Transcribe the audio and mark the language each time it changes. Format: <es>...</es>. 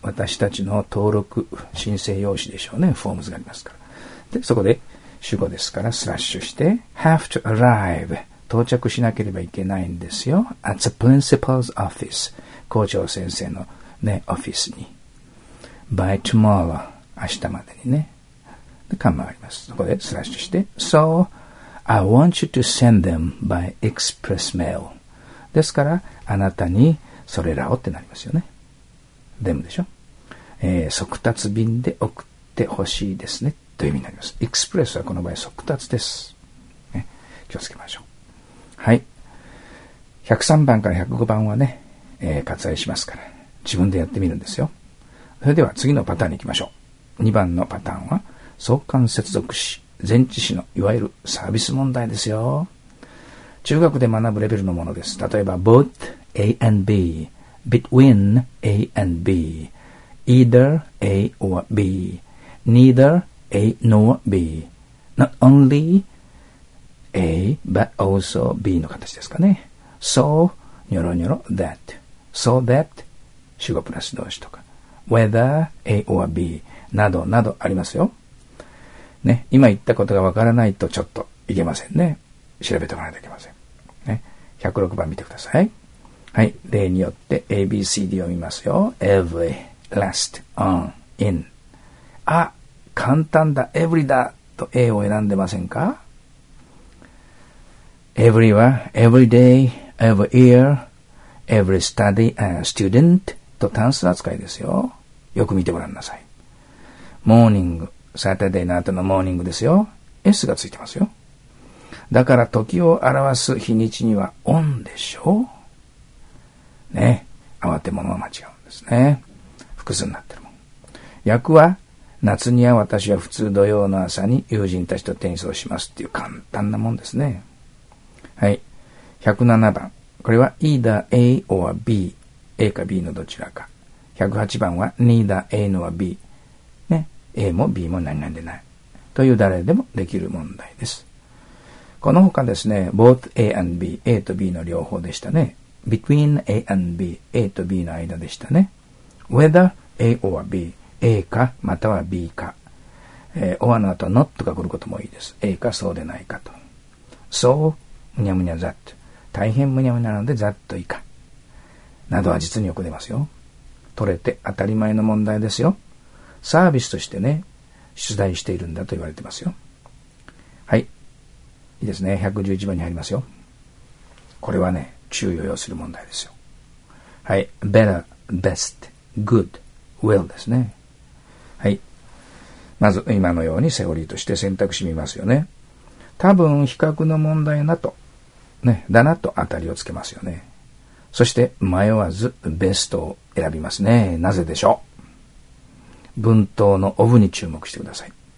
<ja>私たちの登録、申請用紙でしょうね。フォームズがありますから。で、そこで、主語ですから、スラッシュして、</ja> <en>have to arrive。</en> <ja>到着しなければいけないんですよ。</ja> <en>at the principal's office。</en> <ja>校長先生のね、オフィスに。</ja> <en>by tomorrow。</en> <ja>明日までにね。で、カンマがあります。そこで、スラッシュして、</ja> <en>so, I want you to send them by express mail。</en> <ja>ですから、あなたに、それらをってなりますよね。でもでしょ。速達便で送ってほしいですね。という意味になります。エクスプレスはこの場合速達です、ね。気をつけましょう。はい。 103番から105番はね、割愛しますから、自分でやってみるんですよ。それでは次のパターンに行きましょう。2番のパターンは、相関接続詞、前置詞のいわゆるサービス問題ですよ。中学で学ぶレベルのものです。例えば</ja> <en>both A and B、</en> <ja>between A and B、 either A or B、 neither A nor B、</ja> <en>not only A but also B</en> <ja>の形ですかね。 so ニョロニョロ that、 so that 主語プラス動詞とか、</ja> <en>whether A or B</en> <ja>などなどありますよ、ね、今言ったことがわからないとちょっといけませんね。調べておかないといけません、ね、106番見てください。はい、例によって ABCD を見ますよ。</ja> <en>Every, Last, On, In。</en> <ja>あ、簡単だ、 Every だと A を選んでませんか。 Every は</ja> <en>Every day, Every year, Every study and student</en> <ja>と単数扱いですよ。よく見てごらんなさい。Morning、 Saturday の後の Morning ですよ。S がついてますよ。だから時を表す日にちには On でしょう。ね、慌て物は間違うんですね。複数になってるもん。訳は、夏には私は普通土曜の朝に友人たちとテニスをしますっていう簡単なもんですね。はい、107番、これは either A or B、 A か B のどちらか。 108番は neither A nor B、 ね、A も B も何々でないという誰でもできる問題です。この他ですね、 both A and B、 A と B の両方でしたね。</ja> <en>Between A and B、</en> <ja>A と B の間でしたね。</ja> <en>Whether A or B、</en> <ja>A かまたは B か、or の後 not が来ることもいいです。 A かそうでないかと。So むにゃむにゃ that、 大変むにゃむにゃなので that 以下などは実によく出ますよ。取れて当たり前の問題ですよ。サービスとしてね、出題しているんだと言われてますよ。はい、いいですね。111番に入りますよ。これはね、注意を要する問題ですよ。</ja> <en>はい、 better、 best、 good、 will ですね。</en> <ja>はい、まず今のようにセオリーとして選択肢見ますよね。多分比較の問題なとね、だなと当たりをつけますよね。そして迷わず best を選びますね。なぜでしょう。文頭の of に注目してください。</ja>